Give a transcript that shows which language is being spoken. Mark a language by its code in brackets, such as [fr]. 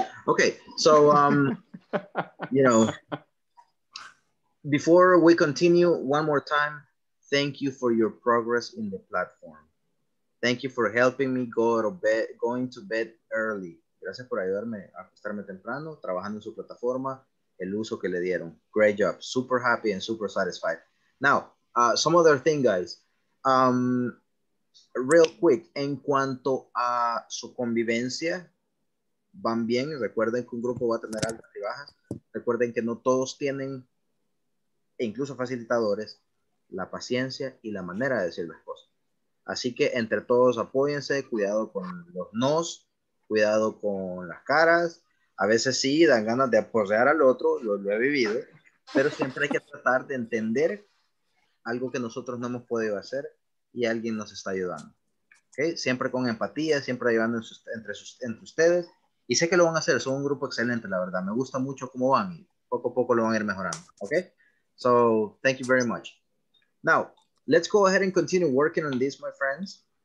[en] Okay, so you know, before we continue, one more time, thank you for your progress in the platform. Thank you for helping me going to bed early. [es] Gracias por ayudarme a acostarme temprano, trabajando en su plataforma. El uso que le dieron. [en] Great job. Super happy and super satisfied. Now, some other thing, guys. Real quick, [es] en cuanto a su convivencia, van bien. Recuerden que un grupo va a tener altas y bajas. Recuerden que no todos tienen, e incluso facilitadores, la paciencia y la manera de decir las cosas. Así que entre todos, apóyense. Cuidado con los nos. Cuidado con las caras. A veces sí, dan ganas de aporrear al otro, lo he vivido, pero siempre hay que tratar de entender algo que nosotros no hemos podido hacer y alguien nos está ayudando. ¿Okay? Siempre con empatía, siempre ayudando entre ustedes. Y sé que lo van a hacer, son un grupo excelente, la verdad. Me gusta mucho cómo van y poco a poco lo van a ir mejorando. [en] ¿Okay? So, thank you very much. Now, let's go ahead and continue working on this, my friends.